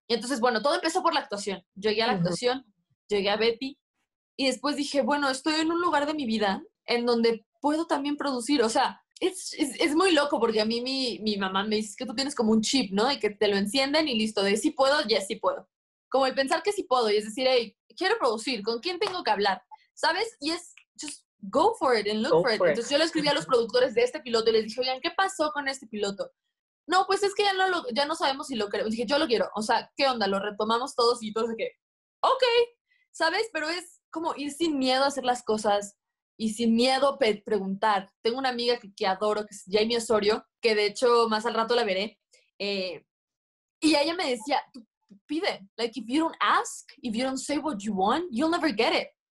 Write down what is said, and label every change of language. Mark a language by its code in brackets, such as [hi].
[es] Y entonces, bueno, todo empezó por la actuación. Llegué a la actuación, llegué a Betty, y después dije, bueno, estoy en un lugar de mi vida en donde puedo también producir. O sea, es muy loco porque a mí mi mamá me dice que tú tienes como un chip, ¿no? Y que te lo encienden y listo, de sí puedo, yes, sí puedo. Como el pensar que sí puedo, y es decir, hey, quiero producir, ¿con quién tengo que hablar? ¿Sabes? Y es, [en] just go for it and look for it. [es] Entonces yo le escribí a los productores de este piloto y les dije, oigan, ¿qué pasó con este piloto? No, pues es que ya no sabemos si lo queremos. Dije, yo lo quiero. O sea, ¿qué onda? Lo retomamos todos y todos de que, ok, ¿sabes? Pero es como ir sin miedo a hacer las cosas y sin miedo a preguntar. Tengo una amiga que adoro, que es Jamie Osorio, que de hecho más al rato la veré. Y ella me decía, tú pide. [en] Like, if you don't ask, if you don't say what you want, you'll never get it.